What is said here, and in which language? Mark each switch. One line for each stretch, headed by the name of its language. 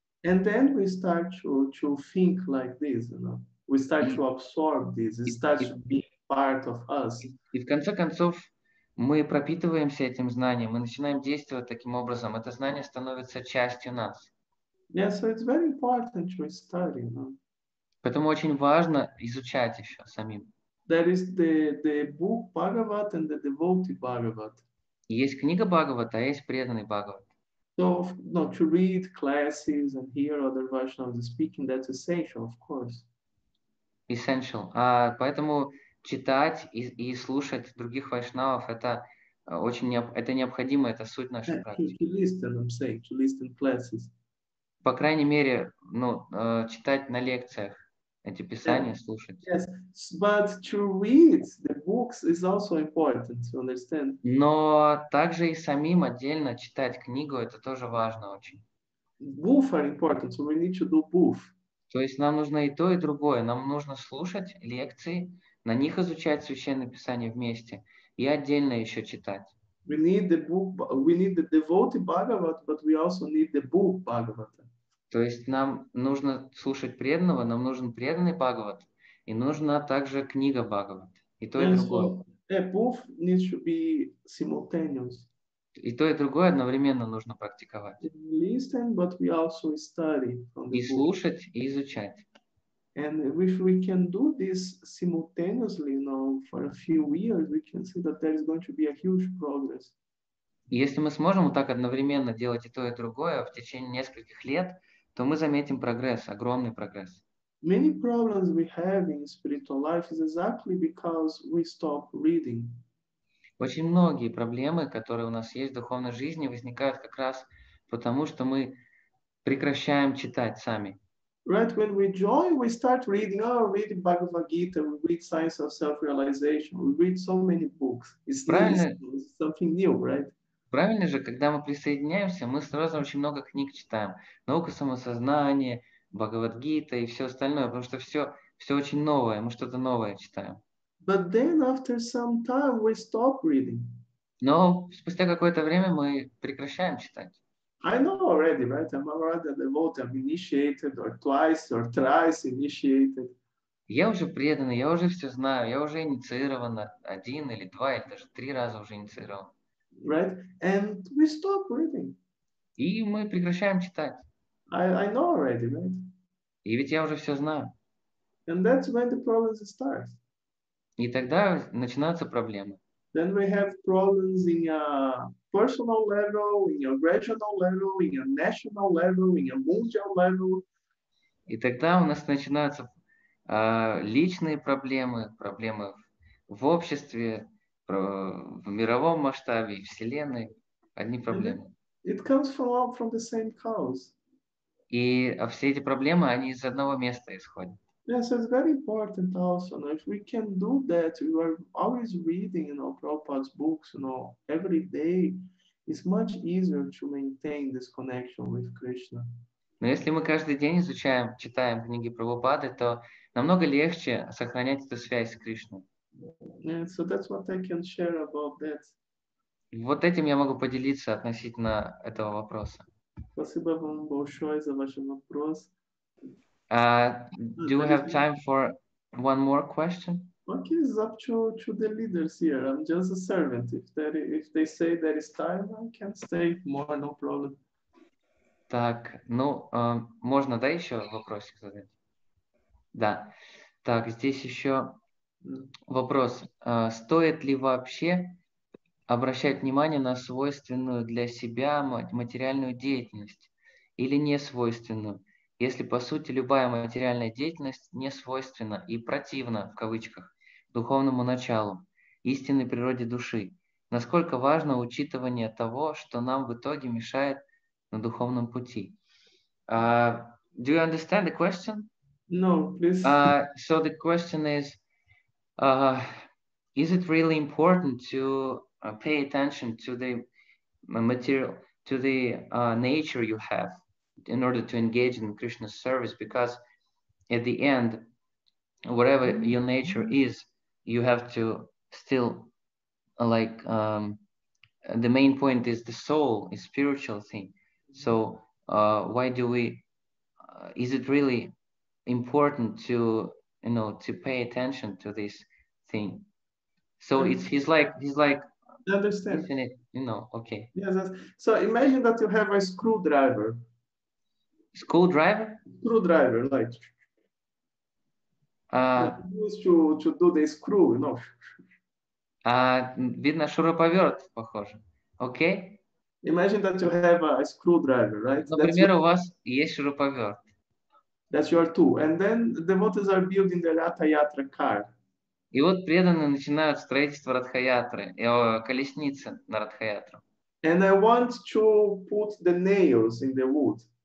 English: And then we start to think like this, you know. We start to absorb this, it starts to be part of us.
Russian: И в конце концов мы пропитываемся этим знанием, мы начинаем действовать таким образом, это знание становится частью нас.
English: Yeah, so it's very important to study, you know.
Russian: Поэтому очень важно изучать еще самим.
English: There is the book Bhagavat and the devotee Bhagavat.
Russian: Есть книга Бхагавата, а есть преданный Бхагават.
English: So, no, to read classes and hear other Vaishnavas speaking, that's essential, of course. Essential.
Russian: Поэтому читать и слушать других вайшнавов это необходимо, это суть нашей практики.
English: To listen, I'm saying, to listen classes.
Russian: По крайней мере, читать на лекциях. Эти писания слушать.
English: Yes, but to read the books is also important to understand.
Russian: Но также и самим отдельно читать книгу это тоже важно очень.
English: Both are important, so we need to do both.
Russian: То есть нам нужно и то, и другое. Нам нужно слушать лекции, на них изучать священное писание вместе и отдельно еще читать.
English: We need the book, we need the devotee Bhagavat, but we also need the book Bhagavat.
Russian: То есть нам нужно слушать преданного, нам нужен преданный Бхагават, и нужна также книга Бхагават. И то,
English: and
Russian: и другое.
English: So, both need to be simultaneous.
Russian: И то, и другое одновременно нужно практиковать.
English: Listen, but we also study from the
Russian: и слушать, book. И изучать.
English: And if we can do this simultaneously, you know, for a few years, we can see that there is going to be a huge progress.
Russian: Если мы сможем вот так одновременно делать и то, и другое в течение нескольких лет, то мы заметим прогресс, огромный прогресс.
English: Many problems we have in spiritual life is exactly because we stop reading.
Russian: Очень многие проблемы, которые у нас есть в духовной жизни, возникают как раз потому, что мы прекращаем читать сами.
English: Right, when we join, we start reading, oh, read Bhagavad Gita, we read Science of Self-Realization, we read so many books. It's
Russian: правильно.
English: Something new, right?
Russian: Правильно же, когда мы присоединяемся, мы сразу очень много книг читаем. Наука самосознания, Бхагавадгита и все остальное, потому что все очень новое, мы что-то новое читаем.
English: But then after some time we stop reading.
Russian: Но спустя какое-то время мы прекращаем читать.
English: I know already, right? I'm already a devotee. I'm initiated or twice or thrice initiated.
Russian: Я уже преданный, я уже все знаю, я уже инициирован один или два, или даже три раза уже инициирован.
English: Right? And we stop reading.
Russian: И мы прекращаем читать.
English: I know already, right?
Russian: И ведь я уже все знаю.
English: And that's when the problems start.
Russian: И тогда начинаются проблемы.
English: Then we have problems in a personal level, in a regional level, in a national level, in a mundial level.
Russian: И тогда у нас начинаются личные проблемы, проблемы в обществе, в мировом масштабе, в вселенной. Одни проблемы.
English: It comes from the same cause.
Russian: И все эти проблемы, они из одного места исходят.
English: Yes, it's very important also. Now, if we can do that, we are always reading, you know, Prabhupada's books, you know, every day, it's much easier to maintain this connection with Krishna.
Russian: Но если мы каждый день изучаем, читаем книги Прабхупады, то намного легче сохранять эту связь с Кришной.
English: Yeah, so that's what I can share about that.
Russian: Вот этим я могу поделиться относительно этого вопроса. Спасибо вам большое за ваш вопрос.
English: Do we have time for one more question? Okay, it's up to the leaders here. I'm just a servant. If they say there is time, I can stay more, no problem.
Russian: Так, ну, можно, да, еще вопросик задать? Да. Так, здесь еще вопрос. Стоит ли вообще обращать внимание на свойственную для себя материальную деятельность или не свойственную? Если, по сути, любая материальная деятельность не свойственна и противна, в кавычках, духовному началу, истинной природе души, насколько важно учитывание того, что нам в итоге мешает на духовном пути?
English: Do you understand the question? No, please. So the question is it really important to pay attention to the material, to the nature you have? In order to engage in Krishna's service, because at the end, whatever your nature is, you have to still like the main point is the soul, a spiritual thing. So why do we? Is it really important to you know to pay attention to this thing? So he's like. I understand. Infinite, you know. Okay. Yes. So imagine that you have a screwdriver. Screwdriver, like used to do the screw, you know.
Russian: Видно шуруповерт, похоже.
English: Okay. Imagine that you have a screwdriver, right?
Russian: Например, у вас есть шуруповерт.
English: That's your tool, and then the devotees are building the ратха-ятра car.
Russian: И вот преданные начинают строительство ратха-ятры, колесницы на ратха-ятру.
English: And I want to put the nails in the wood.